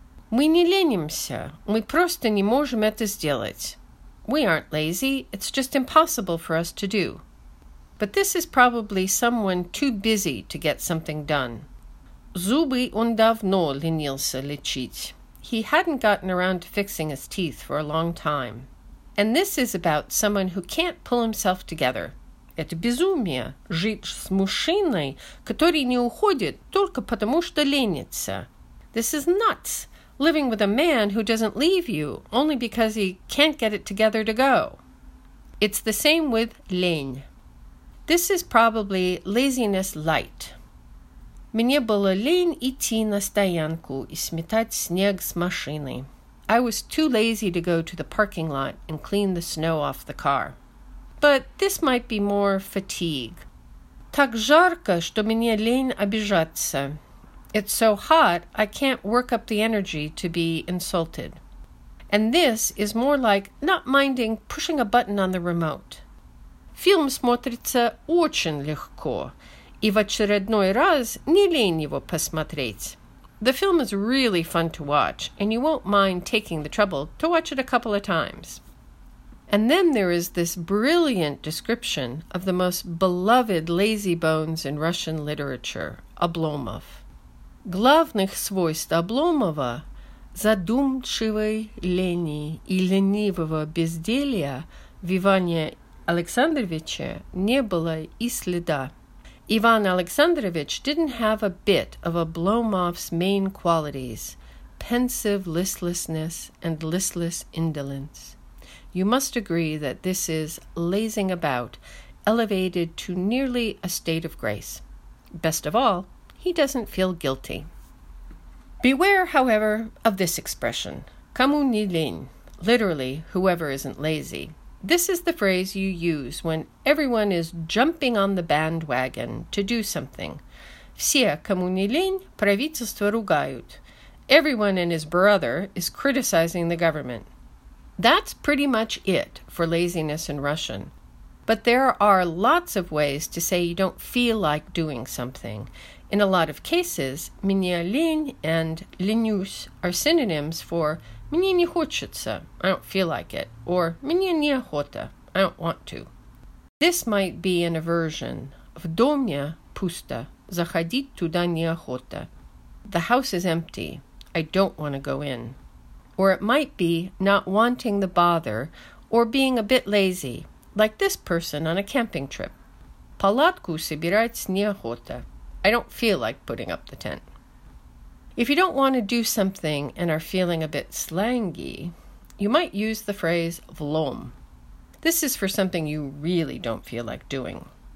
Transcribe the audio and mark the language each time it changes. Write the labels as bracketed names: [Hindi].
[Russian] Мы не ленимся, мы просто не можем это сделать. [English] We aren't lazy, it's just impossible for us to do. But this is probably someone too busy to get something done. [Russian] Зубы он давно ленился лечить. [English] He hadn't gotten around to fixing his teeth for a long time. And this is about someone who can't pull himself together. [Russian] Это безумие, жить с мужчиной, который не уходит только потому что ленится. [English] This is nuts. Living with a man who doesn't leave you only because he can't get it together to go. It's the same with лень. This is probably laziness light. [Russian] Мне было лень идти на стоянку и сметать снег с машины. [English] I was too lazy to go to the parking lot and clean the snow off the car. But this might be more fatigue. [Russian] Так жарко, что мне лень обижаться. [English] It's so hot, I can't work up the energy to be insulted. And this is more like not minding pushing a button on the remote. [Russian] Фильм смотрится очень легко, и в очередной раз не лень его посмотреть. [English] The film is really fun to watch, and you won't mind taking the trouble to watch it a couple of times. And then there is this brilliant description of the most beloved lazy bones in Russian literature, Oblomov. [Russian] Главных свойств Обломова – задумчивой лени и ленивого безделья в Иване Александровиче не было и следа. [English] Ivan Alexandrovich didn't have a bit of Oblomov's main qualities – pensive listlessness and listless indolence. You must agree that this is lazing about, elevated to nearly a state of grace. Best of all, he doesn't feel guilty. Beware, however, of this expression, [Russian] кому не лень, [English] literally, whoever isn't lazy. This is the phrase you use when everyone is jumping on the bandwagon to do something. [Russian] Все, кому не лень, правительство ругают. [English] Everyone and his brother is criticizing the government. That's pretty much it for laziness in Russian. But there are lots of ways to say you don't feel like doing something. In a lot of cases, [Russian] мне лень [English] and [Russian] ленюсь [English] are synonyms for [Russian] мне не хочется, [English] I don't feel like it, or [Russian] мне неохота, [English] I don't want to. This might be an aversion. [Russian] Вдомя пусто, заходить туда неохота. [English] The house is empty. I don't want to go in. Or it might be not wanting the bother or being a bit lazy, like this person on a camping trip. [Russian] Палатку собирать неохота. [English] I don't feel like putting up the tent. If you don't want to do something and are feeling a bit slangy, you might use the phrase влом. This is for something you really don't feel like doing.